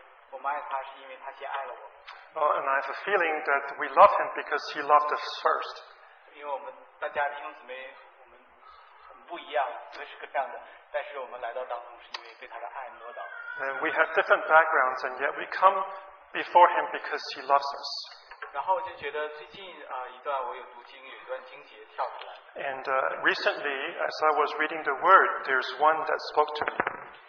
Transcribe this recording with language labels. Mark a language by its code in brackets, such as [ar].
[en] And I have a feeling that we love him because he loved us first. We have different backgrounds, and yet we come before him because he loves us. [zh] 然后我就觉得最近一段我有读经，有一段经节跳出来。 [en] And recently, as I was reading the word, there's one that spoke to me.